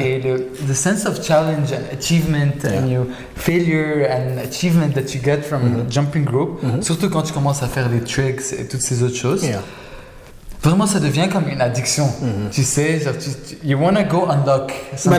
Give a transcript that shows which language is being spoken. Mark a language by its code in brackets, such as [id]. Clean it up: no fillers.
[en] Et the sense of challenge and achievement and your failure and achievement that you get from mm-hmm. jumping rope, mm-hmm. [fr] surtout quand tu commences à faire des tricks et toutes ces autres choses, vraiment ça devient comme une addiction. Mm-hmm. Tu sais, genre, [en] you want to go unlock something.